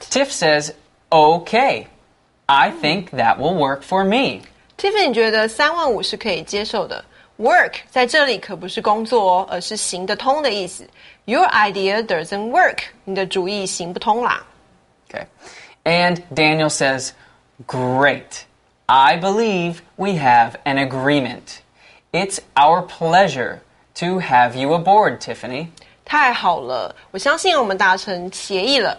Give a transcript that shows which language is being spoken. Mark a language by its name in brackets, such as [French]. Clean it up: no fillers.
[English] Tiff says, okay, I think that will work for me. [Chinese] Tiffany 觉得35,000是可以接受的。 Work 在这里可不是工作哦，而是行得通的意思。 [English] Your idea doesn't work. [Chinese] 你的主意行不通啦。 [English] Okay. And Daniel says, great. I believe we have an agreement. It's our pleasure to have you aboard, Tiffany. [Chinese] 太好了，我相信我们达成协议了。